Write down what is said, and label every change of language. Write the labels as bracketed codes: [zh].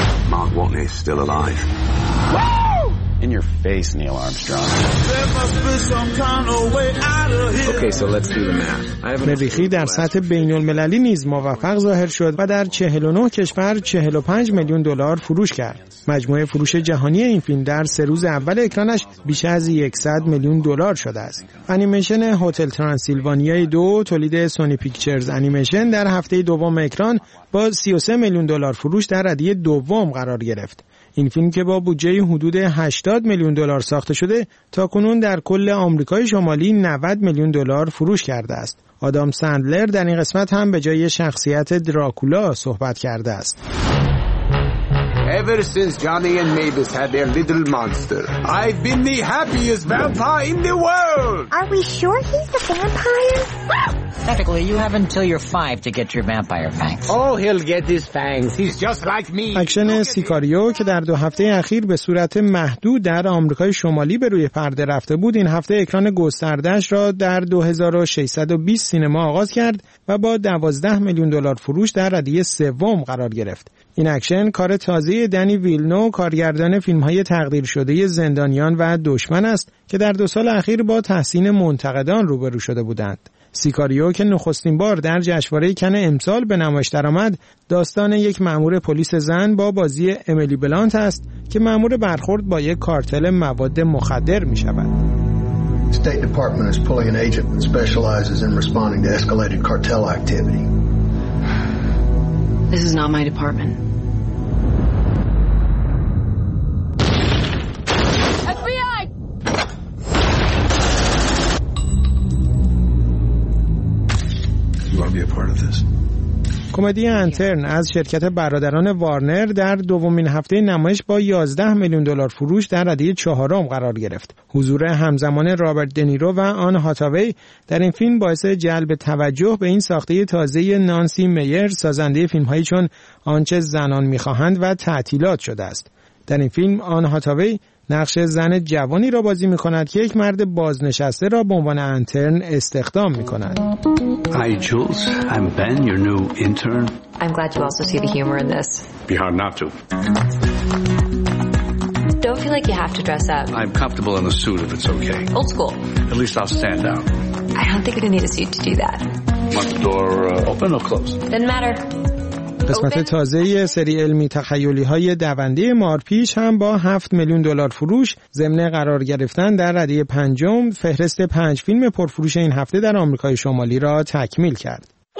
[en] Mark Watney is still alive. In your face, Neil Armstrong. [fa] مریخی در سطح بین المللی نیز موفق ظاهر شد و در 49 کشور 45 میلیون دلار فروش کرد. مجموع فروش جهانی این فیلم در سه روز اول اکرانش بیش از 100 میلیون دلار شده است. انیمیشن هتل ترانسیلوانیای 2 تولید سونی پیکچرز انیمیشن در هفته دوم اکران با 33 میلیون دلار فروش در ردیه دوم قرار گرفت. این فیلم که با بودجه حدود 80 میلیون دلار ساخته شده تاکنون در کل آمریکای شمالی 90 میلیون دلار فروش کرده است. آدام سندلر در این قسمت هم به جای شخصیت دراکولا صحبت کرده است. [en] Ever since Johnny and Mavis had their little monster, I've been the happiest vampire in the world. Are we sure he's the vampire? Technically, you have until you're 5 to get your vampire fangs. Oh, he'll get his fangs. He's just like me. [fa] اکشن سیکاریو که در دو هفته اخیر به صورت محدود در آمریکای شمالی به روی پرده رفته بود، این هفته اکران گسترده‌اش را در 2620 سینما آغاز کرد و با 12 میلیون دلار فروش در ردیه سوم قرار گرفت. این اکشن کار تازه دنی ویلنو، کارگردان فیلم‌های تقدیر شده زندانیان و دشمن است که در دو سال اخیر با تحسین منتقدان روبرو شده بودند. سیکاریو که نخستین بار در جشنواره کن امسال به نمایش درآمد، داستان یک مأمور پلیس زن با بازی امیلی بلانت است که مأمور برخورد با یک کارتل مواد مخدر می‌شود. [en] State Department is pulling an agent that specializes in responding to escalated cartel activity. This is not my department. FBI! You want to be a part of this? [fa] کمدی انترن از شرکت برادران وارنر در دومین هفته نمایش با 11 میلیون دلار فروش در ردیه چهارم قرار گرفت. حضور همزمان رابرت دنیرو و آن هاتاوی در این فیلم باعث جلب توجه به این ساخته تازه نانسی میر، سازنده فیلم‌هایی چون آنچه زنان می‌خواهند و تعطیلات شده است. در این فیلم آن هاتاوی نقش زن جوانی را بازی می‌کند که یک مرد بازنشسته را به عنوان انترن استخدام می‌کند. [en] Hi Jules, I'm Ben, your new intern. I'm glad you also see the humor in this. Be hard not to. Don't feel like you have to dress up. I'm comfortable in a suit if it's okay. Old school. At least I'll stand out. I don't think I need a suit to do that. Want the door open or close? Doesn't matter. [fa] قسمت تازه سری علمی تخیلی های دونده مارپیچ هم با 7 میلیون دلار فروش ضمن قرار گرفتن در رده پنجم فهرست 5 فیلم پرفروش این هفته در آمریکای شمالی را تکمیل کرد.